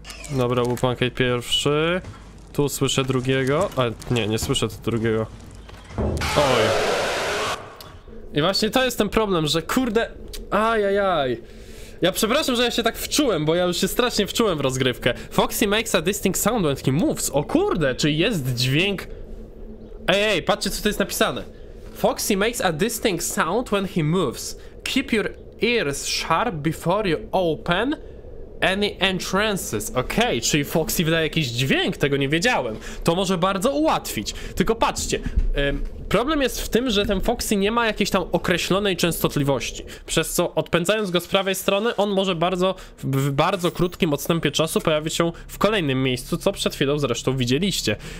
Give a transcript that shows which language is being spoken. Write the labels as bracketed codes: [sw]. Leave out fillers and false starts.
[pl] Dobra, był pancake pierwszy. Tu słyszę drugiego. A nie, nie słyszę tu drugiego. Oj. I właśnie to jest ten problem, że kurde... Ajajaj. Ja przepraszam, że ja się tak wczułem, bo ja już się strasznie wczułem w rozgrywkę. [en] Foxy makes a distinct sound when he moves. [pl] O kurde, czy jest dźwięk? Ej, patrzcie, co tu jest napisane. [en] Foxy makes a distinct sound when he moves. Keep your ears sharp before you open Any entrances, [pl] okej, czyli Foxy wydaje jakiś dźwięk, tego nie wiedziałem. To może bardzo ułatwić. Tylko patrzcie, problem jest w tym, że ten Foxy nie ma jakiejś tam określonej częstotliwości, przez co odpędzając go z prawej strony, on może bardzo, w bardzo krótkim odstępie czasu pojawić się w kolejnym miejscu, co przed chwilą zresztą widzieliście.